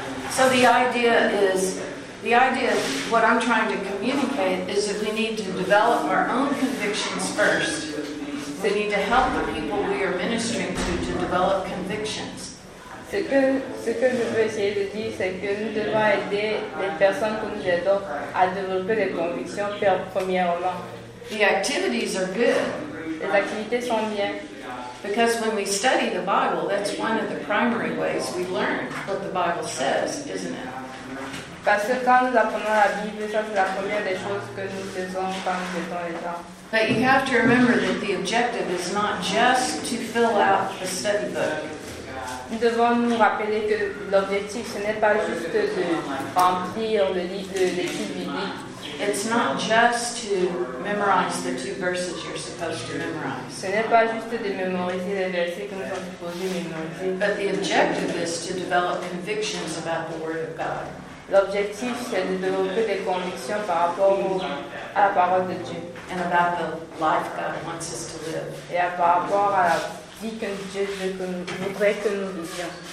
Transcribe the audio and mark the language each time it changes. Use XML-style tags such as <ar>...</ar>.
<en>So the idea, what I'm trying to communicate is that we need to develop our own convictions first. We need to help the people we are ministering to develop convictions.</en> <fr>Ce que je veux essayer de dire, c'est que nous devons aider les personnes que nous aidons à développer des convictions premièrement.</fr> <en>The activities are good.</en> <fr>Les activités sont bien.</fr> <en>Because when we study the Bible, that's one of the primary ways we learn what the Bible says, isn't it?</en> <fr>Parce que quand nous apprenons la Bible, ça c'est la première des choses que nous faisons quand nous aidons les gens.</fr> <en>But you have to remember that the objective is not just to fill out a study book.</en> <fr>Nous devons nous rappeler que l'objectif, ce n'est pas juste de remplir le livre de l'étude biblique.</fr> <en>It's not just to memorize the two verses you're supposed to memorize.</en> <fr>Ce n'est pas juste de mémoriser les versets que nous sommes supposés mémoriser.</fr> <en>But the objective is to develop convictions about the Word of God.</en> <fr>L'objectif, c'est de développer des convictions par rapport à la parole de Dieu.</fr> <en>And about the life God wants us to live.</en> <fr>Et à par rapport à la vie que Dieu veut que nous, voudrait que nous vivions.</fr>